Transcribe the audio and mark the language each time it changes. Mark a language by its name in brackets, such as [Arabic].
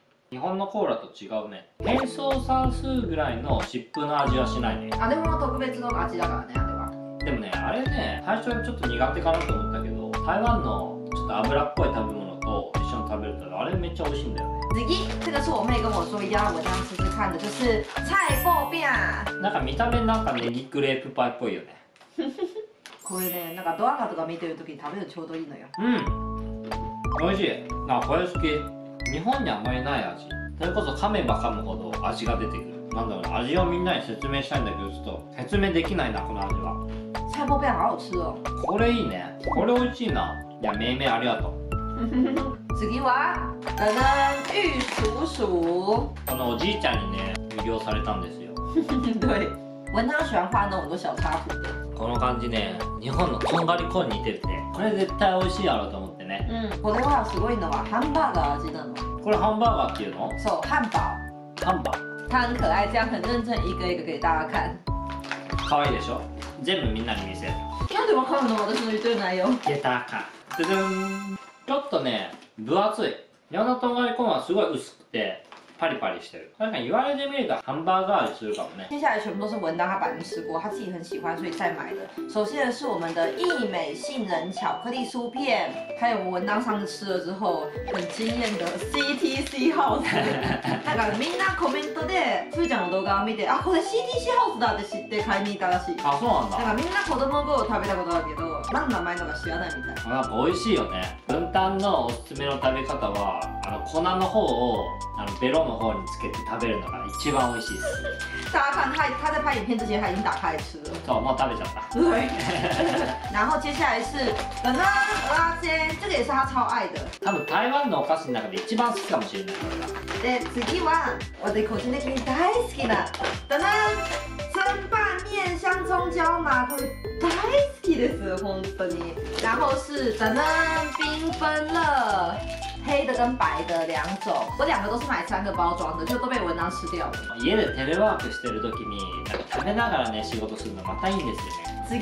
[Japanese] 日本のコーラと違うね。変装算数ぐらいの湿布の味はしないね。あ、でも特別の味だからね、あれは。でもね、あれね、最初にちょっと苦手かなと思ったけど、台湾のちょっと脂っぽい食べ物と一緒に食べるとあれめっちゃ美味しいんだよね。 [Chinese] 次、这个是我妹跟我说一样，我这样试试看的，就是菜脯饼。 [Japanese] なんか見た目なんかネギクレープパイっぽいよね。これね、なんかドラマとか見てる時に食べるちょうどいいのよ。うん。おいしい。なんかこれ好き。日本にあまりない味。それこそ噛めば噛むほど味が出てくる。なんだろう、味をみんなに説明したいんだけどちょっと説明できないな、この味は。 [Chinese] 菜脯饼好好吃哦。 [Japanese] これいいね。これおいしいな。いや、めいめいありがとう。次は、玉鼠鼠。このおじいちゃんにね、魅了されたんですよ。 [Chinese] 对，文章喜欢画那种小插图的。 [Japanese] この感じね、日本のとんがりコーン似てるね。これ絶対美味しいやろと思ってね。うん。これはすごいのはハンバーガー味なの。これハンバーガーっていうの？そう、ハンバー。ハンバー。 [Chinese] 它很可爱，这样很认真一个一个给大家看。 [Japanese] 可愛いでしょ？全部みんなに見せる。なんでわかるの？私の言ってる内容。ゲタカ。ドゥドゥン。ちょっとね。分厚い。ヤナトンガリコーンはすごい薄くてパリパリしてる。なんか言われてみるとハンバーガー味するかもね。 [Chinese] 接下来全部都是文章他本人吃过，他自己很喜欢，所以再买的。首先的是我们的益美杏仁巧克力酥片，还有文章上次吃了之后很惊艳的 CTC 号子。 [Japanese] だからみんなコメントでスーちゃんの動画を見て、あ、これ CTC 号子だって知って買いに行ったらしい。あ、そうなんだ。だからみんな子供の頃食べたことあるけど。何の名前のか知らないみたいな。なんか美味しいよね。文旦のおすすめの食べ方は、あの粉の方をあのベロの方につけて食べるのが一番美味しいです。 [Chinese] 大家看他他在拍影片之前他已经打开吃了。 [Japanese] そう、もう食べちゃった。 [Chinese] 对。然后接下来是本旦蚵仔煎，这个也是他超爱的。 [Japanese] 多分台湾のお菓子の中で一番好きかもしれない。で次は私個人的に大好きな [Chinese] 本旦蒸拌面香葱椒麻， [Japanese] これ大好き。本当に。 [Chinese] 然后是噔噔缤纷乐，黑的跟白的两种，我两个都是买三个包装的，就都被文章吃掉了。 [Japanese] 家でテレワークしてる時に食べながらね仕事するのまたいいんですよね。